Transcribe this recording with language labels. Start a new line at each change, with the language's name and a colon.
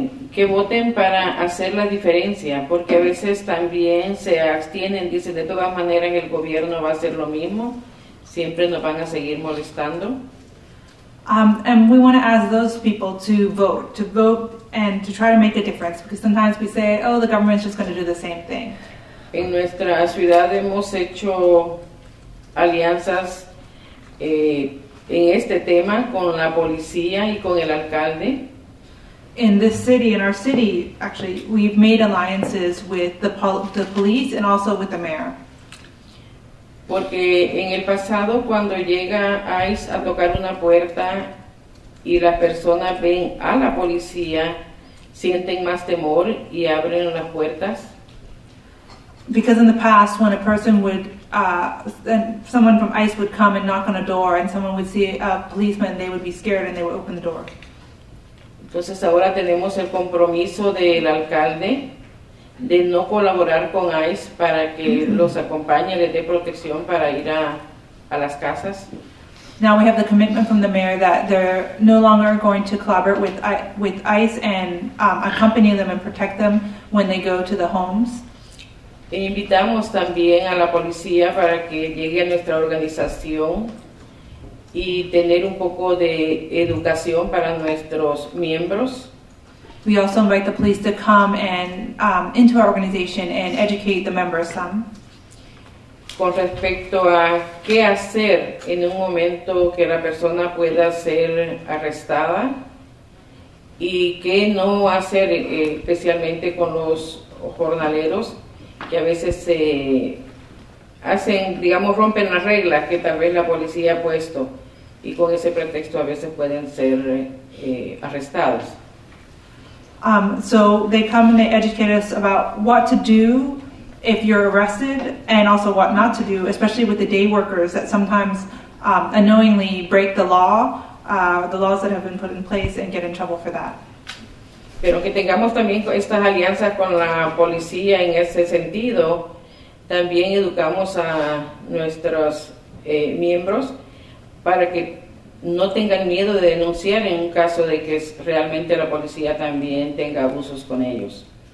Spanish: Que voten para hacer la diferencia, porque a veces también se abstienen, dicen, de todas maneras el gobierno va a hacer lo mismo, siempre nos van a seguir molestando.
English: And we want to ask those people to vote and to try to make a difference, because sometimes we say, oh, the government's just going to do the same thing.
Spanish: En nuestra ciudad hemos hecho alianzas en este tema con la policía y con el alcalde.
English: In this city, in our city, actually, we've made alliances with the police and also with the mayor.
Spanish: Porque en el pasado, cuando llega ICE a tocar una puerta y las personas ven a la policía, sienten más temor y abren las puertas.
English: Because in the past, when a person would, and someone from ICE would come and knock on a door and someone would see a policeman, they would be scared and they would open the door.
Spanish: Entonces ahora tenemos el compromiso del alcalde de no colaborar con ICE para que los acompañe, les dé protección para ir a las casas.
English: Now we have the commitment from the mayor that they're no longer going to collaborate with ICE and accompany them and protect them when they go to the homes.
Spanish: E invitamos también a la policía para que llegue a nuestra organización y tener un poco de educación para nuestros miembros.
English: We also invite the police to come and into our organization and educate the members some.
Spanish: Con respecto a qué hacer en un momento que la persona pueda ser arrestada y qué no hacer, especialmente con los jornaleros que a veces se hacen, digamos, rompen las reglas que tal vez la policía ha puesto y con ese pretexto a veces pueden ser arrestados.
English: So they come and they educate us about what to do if you're arrested and also what not to do, especially with the day workers that sometimes unknowingly break the law, the laws that have been put in place and get in trouble for that.
Spanish: Pero que tengamos también estas alianzas con la policía en ese sentido, también educamos a nuestros miembros para que no tengan miedo de denunciar en un caso de que realmente la policía también tenga abusos con ellos.